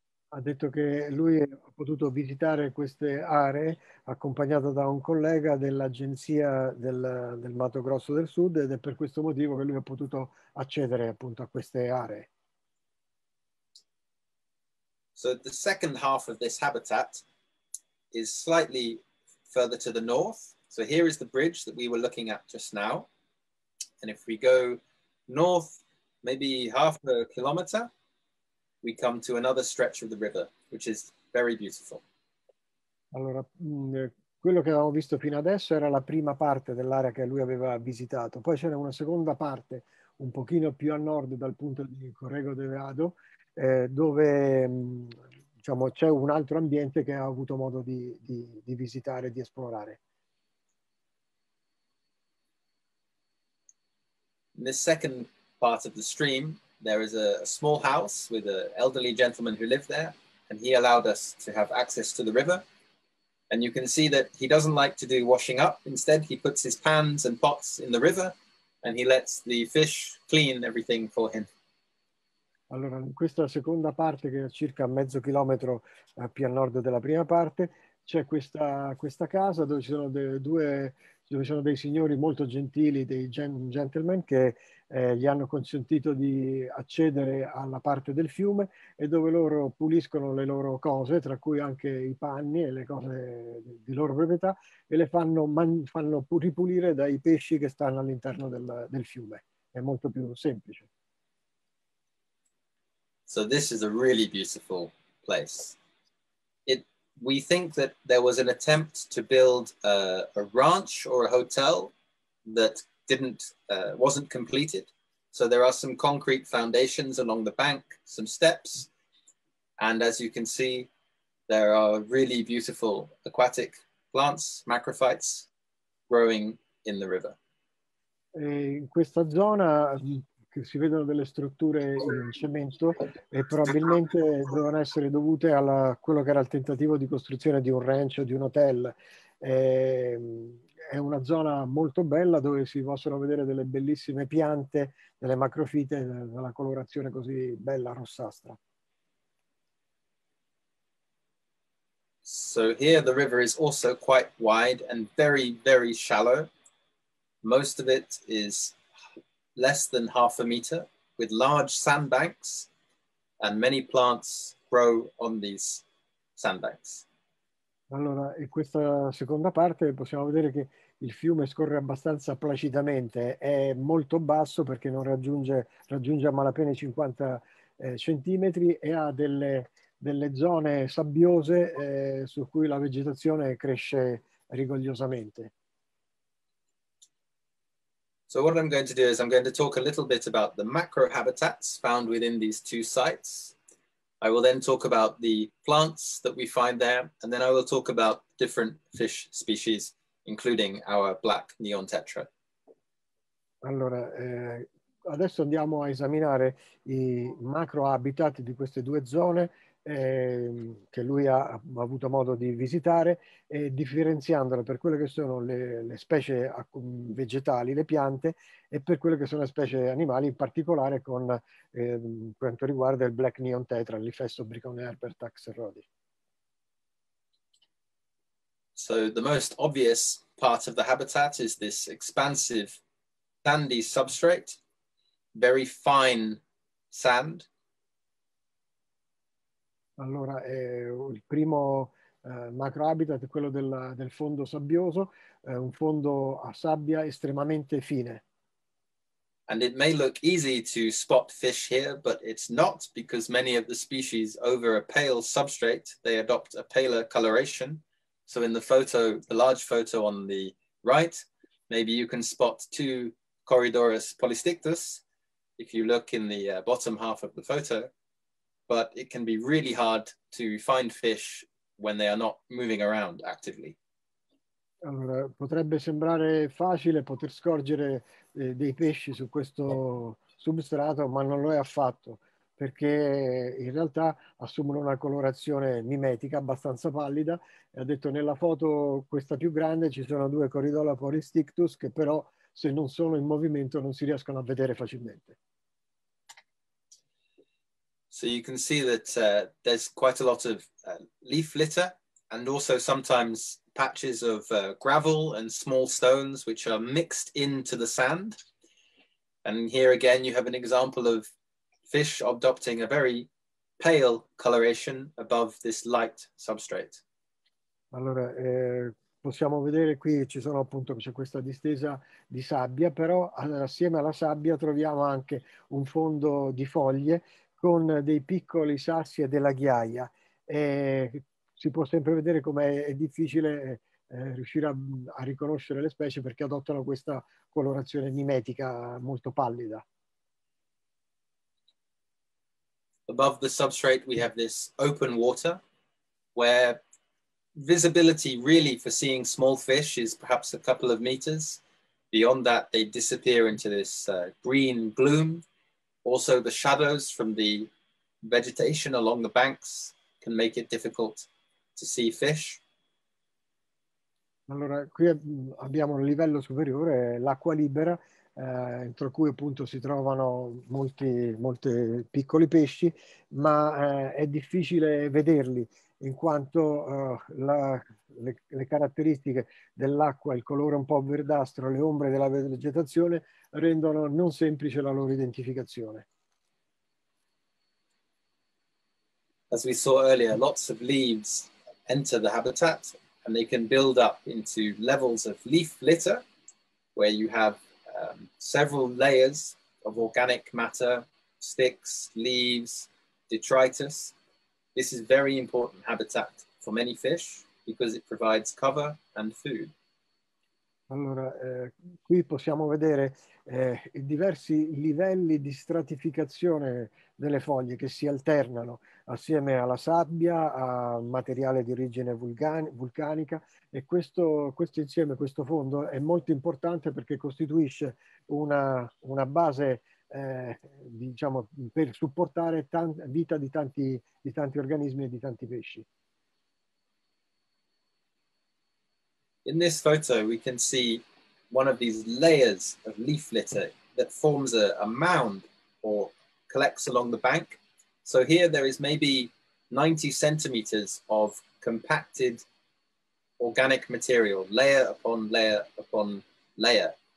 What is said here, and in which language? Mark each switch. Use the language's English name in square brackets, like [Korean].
[Italian] Ha detto che lui ha potuto visitare queste aree accompagnato da un collega dell'agenzia del Mato Grosso del Sud, ed è per questo motivo che lui ha potuto accedere appunto a queste aree. [English] So the second half of this habitat is slightly further to the north. So here is the bridge that we were looking at just now. And if we go north, maybe half a kilometer, we come to another stretch of the river, which is very beautiful. [Italian] Allora, quello che avevamo visto fino adesso era la prima parte dell'area che lui aveva visitato. Poi c'era una seconda parte, un pochino più a nord dal punto di Corrego de Veado, dove diciamo c'è un altro ambiente che ha avuto modo di visitare, di esplorare. [English] In the second part of the stream, there is a small house with an elderly gentleman who lived there, and he allowed us to have access to the river. And you can see that he doesn't like to do washing up. Instead, he puts his pans and pots in the river and he lets the fish clean everything for him. [Italian] Allora, in questa seconda parte, che è circa mezzo chilometro più a nord della prima parte, c'è questa casa dove ci sono dei signori molto gentili, dei gentlemen, che gli hanno consentito di accedere alla parte del fiume e dove loro puliscono le loro cose, tra cui anche i panni e le cose di loro proprietà, e le fanno ripulire dai pesci che stanno all'interno del fiume. È molto più semplice. [English] So this is a really beautiful place. We think that there was an attempt to build a ranch or a hotel that wasn't completed. So there are some concrete foundations along the bank, some steps. And as you can see, there are really beautiful aquatic plants, macrophytes, growing in the river. [Italian] In questa zona si vedono delle strutture in cemento e probabilmente devono essere dovute a quello che era il tentativo di costruzione di un ranch o di un hotel. È una zona molto bella dove si possono vedere delle bellissime piante, delle macrofite, della colorazione così bella, rossastra. [English] So here the river is also quite wide and very, very shallow. Most of it is less than half a meter, with large sandbanks, and many plants grow on these sandbanks. [Italian] Allora, in questa seconda parte possiamo vedere che il fiume scorre abbastanza placidamente. È molto basso perché non raggiunge a malapena i 50 centimetri e ha delle zone sabbiose su cui la vegetazione cresce rigogliosamente. [English] So what I'm going to do is I'm going to talk a little bit about the macro habitats found within these two sites. I will then talk about the plants that we find there, and then I will talk about different fish species, including our black neon tetra. [Italian] Allora, adesso andiamo a esaminare i macro habitat di queste due zone che lui ha avuto modo di visitare, differenziandole per quelle che sono le specie vegetali, le piante, e per quelle che sono le specie animali, in particolare con quanto riguarda il black neon tetra, l'ifesto bricone herbertaxelrodi. [English] So the most obvious part of the habitat is this expansive sandy substrate, very fine sand. [Italian] Allora, il primo macro habitat è quello del fondo sabbioso, un fondo a sabbia estremamente fine. [English] And it may look easy to spot fish here, but it's not, because many of the species over a pale substrate, they adopt a paler coloration. So in the photo, the large photo on the right, maybe you can spot two Corydoras polystictus if you look in the bottom half of the photo. But it can be really hard to find fish when they are not moving around actively. [Italian] Allora, potrebbe sembrare facile poter scorgere dei pesci su questo substrato, ma non lo è affatto, perché in realtà assumono una colorazione mimetica abbastanza pallida. Ha detto nella foto questa più grande ci sono due Corydoras polystictus che però se non sono in movimento non si riescono a vedere facilmente. [English] So you can see that there's quite a lot of leaf litter and also sometimes patches of gravel and small stones which are mixed into the sand. And here again you have an example of fish adopting a very pale coloration above this light substrate. [Italian] Allora, possiamo vedere qui ci sono appunto c'è questa distesa di sabbia, però assieme alla sabbia troviamo anche un fondo di foglie con dei piccoli sassi e della ghiaia. Si può sempre vedere come è difficile riuscire a riconoscere le specie perché adottano questa colorazione mimetica molto pallida. [English] Above the substrate we have this open water where visibility really for seeing small fish is perhaps a couple of meters. Beyond that they disappear into this green gloom. Also the shadows from the vegetation along the banks can make it difficult to see fish. [Italian] Allora, qui abbiamo un livello superiore, l'acqua libera, entro cui appunto si trovano molti piccoli pesci, ma è difficile vederli in quanto le caratteristiche dell'acqua, il colore un po' verdastro, le ombre della vegetazione rendono non semplice la loro identificazione. [English] As we saw earlier, lots of leaves enter the habitat and they can build up into levels of leaf litter where you have several layers of organic matter, sticks, leaves, detritus. This is very important habitat for many fish because it provides cover and food. [Italian] Allora, qui possiamo vedere diversi livelli di stratificazione delle foglie che si alternano assieme alla sabbia, a materiale di origine vulcanica, e questo insieme, questo fondo, è molto importante perché costituisce una base, diciamo, per supportare vita di tanti organismi e di tanti pesci. [English] In this photo we can see one of these layers of leaf litter that forms a mound or collects along the bank. So here there is maybe 90 centimeters of compacted organic material, layer upon layer upon layer.